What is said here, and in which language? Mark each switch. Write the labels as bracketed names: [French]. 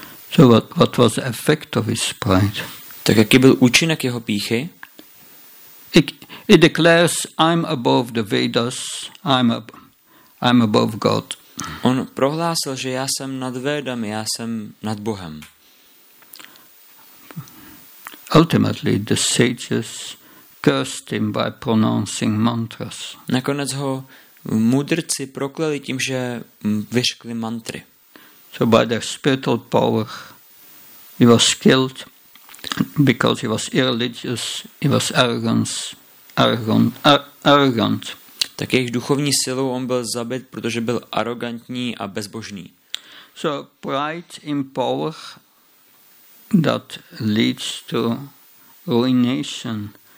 [English] So what was the effect of his pride? [Czech] Tak jaký byl účinek jeho pýchy? [English] He declares, I'm above the Vedas, I'm above God. [Czech] On prohlásil, že já jsem nad Védami, já jsem nad Bohem. [English] Ultimately, the sages cursed him by pronouncing mantras. [Czech] Nakonec ho mudrci prokleli tím, že vyřkli mantry. [English] So by their spiritual power, he was killed because he was irreligious, he was arrogant. [Czech] Tak jejich duchovní silou on byl zabit, protože byl arrogantní a bezbožný. [English] So pride in power that leads to ruination,